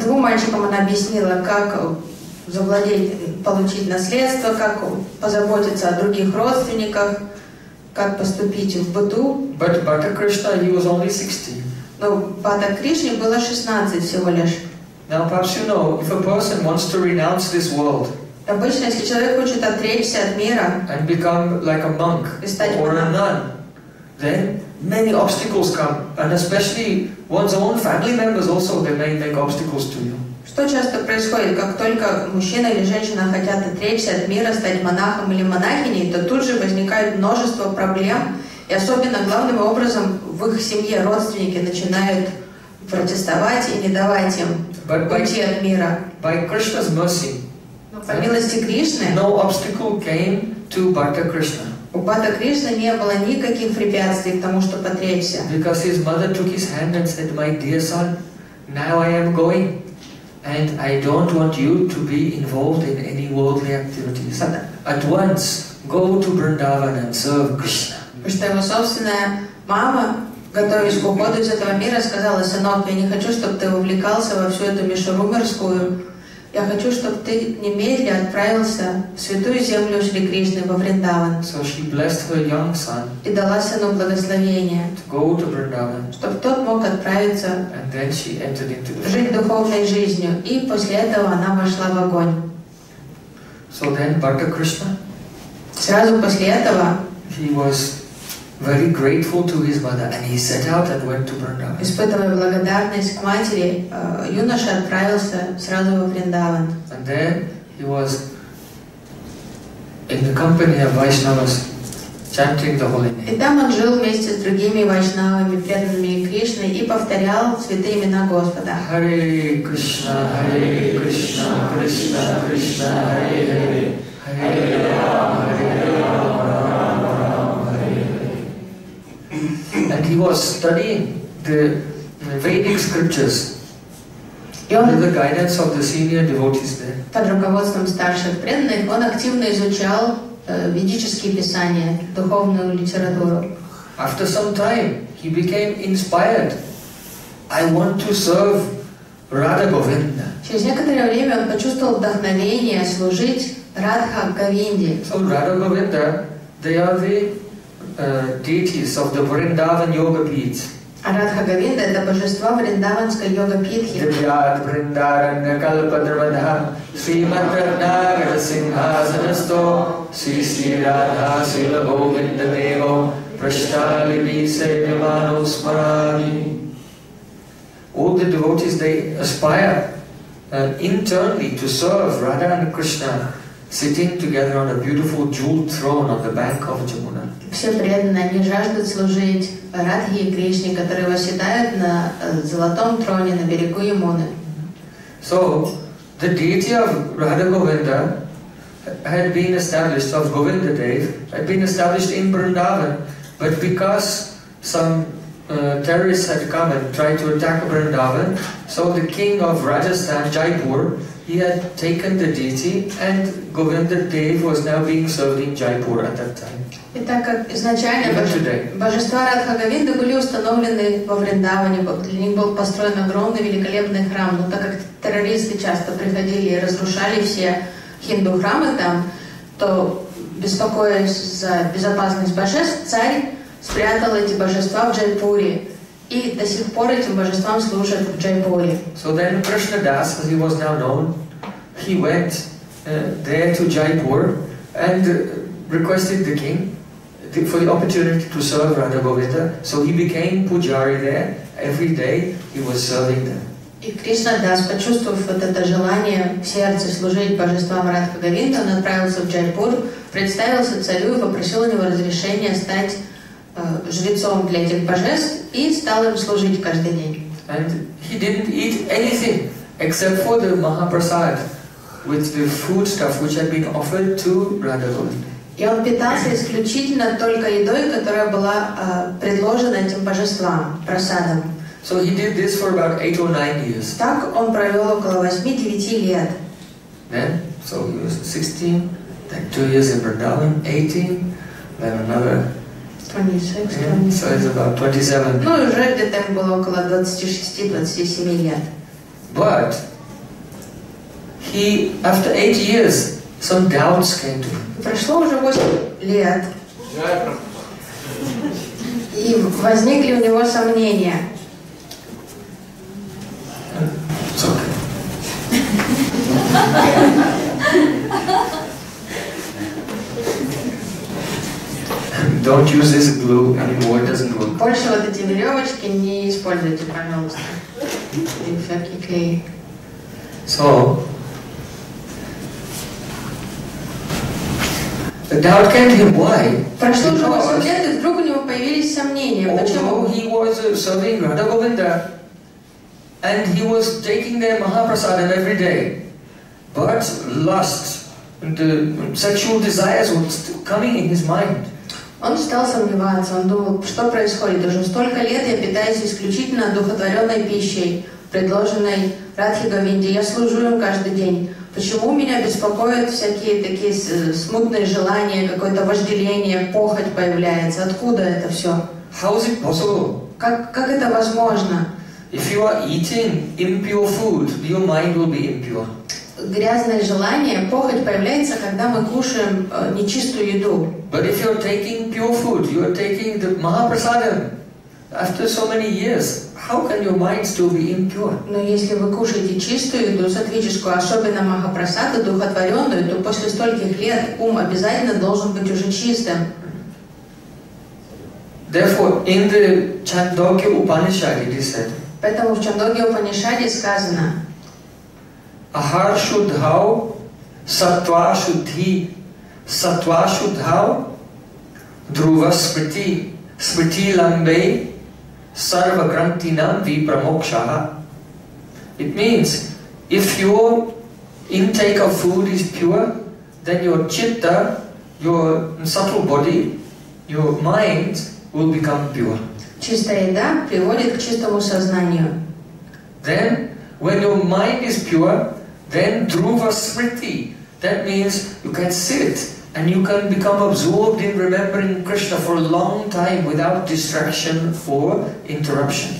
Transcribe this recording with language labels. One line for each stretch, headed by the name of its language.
Russian: Двум мальчикам она объяснила, как завладеть, получить наследство, как позаботиться о других родственниках, как поступить в быту.
English: But Bhatta Krishna, he was only 60.
Russian: Но Бхатта Кришне было 16 всего лишь.
English: Now perhaps you know, if a person wants to renounce this world,
Russian: обычно если человек хочет отречься от мира,
English: and become like a monk or a nun, then many obstacles come, and especially one's own family members also, they may make obstacles to you.
Russian: Что часто происходит, как только мужчина или женщина хотят отречься от мира, стать монахом или монахиней, то тут же возникает множество проблем, и особенно главным образом в их семье родственники начинают протестовать и не давать им
English: By Krishna's mercy, no obstacle came to Bhakta Krishna.
Russian: У Бхакта Кришны не было никаких препятствий к тому, что потребся.
English: Because his mother took his hand and said, "My dear son, now I am going, and I don't want you to be involved in any worldly activities. At once, go to Vrindavan and serve Krishna."
Russian: Потому что его собственная мама, готовясь к уходу из этого мира, сказала: "Сынок, я не хочу, чтобы ты увлекался во всю эту мишуру мирскую. Я хочу, чтобы ты немедленно отправился в святую землю Шри Кришны, во Вриндаван.
English: So she blessed her young son
Russian: и дала сыну благословение,
English: to go to Vrindavan,
Russian: чтобы тот мог отправиться
English: and then she entered into the
Russian: жить духовной жизнью. И после этого она вошла в огонь.
English: So then Bhakta Krishna,
Russian: сразу после этого
English: he was very grateful to his mother, and he set out and went to Vrindavan.
Russian: Испытывая благодарность к матери, юноша отправился сразу во Вриндаван.
English: And there he was in the company of Vaishnavas, chanting the holy name.
Russian: И там он жил вместе с другими вайшнавами, преданными Кришне, и повторял святые имена Господа.
Sanskrit: Hare Krishna, Hare Krishna, Krishna Krishna, Hare Hare, Hare Rama, Hare Rama.
English: And he was studying the Vedic scriptures under the guidance of the senior devotees there.
Russian: Под руководством старших преданных он активно изучал ведические писания, духовную литературу.
English: After some time, he became inspired. I want to serve Radha Govinda.
Russian: Через некоторое время он почувствовал вдохновение служить Радха Говинде.
English: So Radha Govinda, they are the deities of the Vrindavan Yoga Pits. Radha Govinda is the
Russian: божество Вриндаванской Йога Питхи.
Sanskrit: Дивьят Вриндаранья Калпадрвадха Шримадрагнагра Сингхасанасто Си Си Радха Сила Говинда Дево Прашчали Бисе Вивану Смарани.
English: All the devotees, they aspire internally to serve Radha and Krishna sitting together on a beautiful jeweled throne on the bank of Jamuna.
Russian: Все преданные, они жаждут служить Радхе и Кришне, которые восседают на золотом троне на берегу Ямуны.
English: So, the deity of Radha Govinda had been established, of Govinda Dev, had been established in Vrindavan, but because some terrorists had come and tried to attack Vrindavan, so the king of Rajasthan, Jaipur, he had taken the deity and Govinda Dev was now being served in Jaipur at that time.
Russian: И так как изначально божества Радха Говинды были установлены во Вриндаване, для них был построен огромный великолепный храм, но так как террористы часто приходили и разрушали все хинду храмы там, то, беспокоясь за безопасность божеств, царь спрятал эти божества в Джайпуре. И до сих пор этим божествам служат в Джайпуре.
English: So then Krishna Das, as he was now known, he went there to Jaipur and requested the king for the opportunity to serve Radha Govinda. So he became pujari there. Every day he was serving them.
Russian: И Кришна Дас, почувствовав вот это желание в сердце служить божествам Радха Говинда, он отправился в Джайпур, представился царю и попросил у него разрешения стать жрецом для этих божеств и стал им служить каждый день.
English: And he didn't eat anything except for the Mahaprasad with the foodstuff which had been offered to Radha Govinda.
Russian: И он питался исключительно только едой, которая была предложена этим божествам, прасадом.
English: So he did this for about 8 or 9 years.
Russian: Так он провел около 8-9 лет.
English: Then, so he was 16, then 2 years in Vrindavan, 18, then another 26. So it's about 27.
Russian: Ну, уже где-то было около 26-27 лет.
English: But he, after 8 years, some doubts came to him.
Russian: Прошло уже 8 лет, и возникли у него сомнения.
English: Don't use this glue anymore, it doesn't work.
Russian: Больше вот эти веревочки не используйте, пожалуйста. И всякий клей.
English: So, the doubt came to him. Why?
Russian: Прошло уже 8 лет, и вдруг у него появились сомнения. Почему?
English: He was serving Radha Govinda. And he was taking their Mahaprasadam every day. But lust, the sexual desires were still coming in his mind.
Russian: Он стал сомневаться, он думал, что происходит, уже столько лет я питаюсь исключительно духотворенной пищей, предложенной Радхи Говинде, я служу им каждый день. Почему меня беспокоят всякие такие смутные желания, какое-то вожделение, похоть появляется? Откуда это все?
English: How is it possible?
Russian: Как это возможно?
English: If you are eating impure food, your mind will be impure.
Russian: Грязное желание, похоть появляется, когда мы кушаем нечистую еду.
English: But if you're taking pure food, you're taking the Mahaprasadam. After so many years, how can your mind still be impure?
Russian: Но если вы кушаете чистую еду, сатвическую, особенно Махапрасаду, духотворенную, то после стольких лет ум обязательно должен быть уже чистым.
English: Therefore, in the Chandogya Upanishad, it is said.
Russian: Поэтому в Чандогья Упанишаде сказано.
Sanskrit: Ахар шудхау, сатва шудхи, сатва шудхау, друва смрти, смрти ламбей, сарва грантинам ви прамокшаха.
English: It means, if your intake of food is pure, then your chitta, your subtle body, your mind will become pure.
Russian: Чистая еда приводит к чистому сознанию.
English: Then, when your mind is pure, then druva smriti. That means you can sit and you can become absorbed in remembering Krishna for a long time without distraction for interruption.